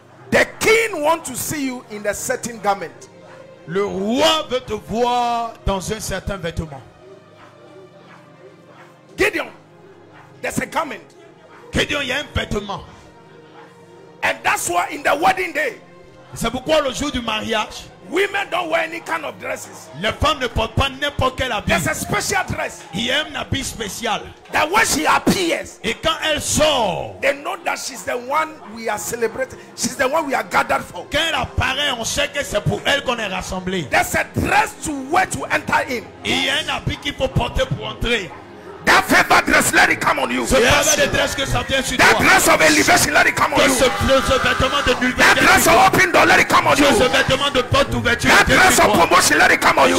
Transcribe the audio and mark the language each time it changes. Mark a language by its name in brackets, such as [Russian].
[English] The king wants to see you in a certain garment. [French] Le roi veut te voir dans un certain vêtement. [English] Gideon, there's a garment. [French] Gideon, il y a un vêtement. [English] And that's why in the wedding day, [French] c'est pourquoi le jour du mariage, [English] women don't wear any kind of dresses. [French] Les femmes ne portent pas n'importe quel habit. [English] There's a special dress. [French] Il y a un habit spécial. [English] That when she appears, [French] et quand elle sort, [English] they know that she's the one we are celebrating. She's the one we are gathered for. [French] Quand elle apparaît, on sait que c'est pour elle qu'on est rassemblé. [English] There's a dress to wear to enter in. [French] Il y a un habit qu'il faut porter pour entrer. [English] That favor dress, let it come on you. That dress of elevation, let it come on you. That dress of open door, let it come on you. That dress of promotion, let it come on you.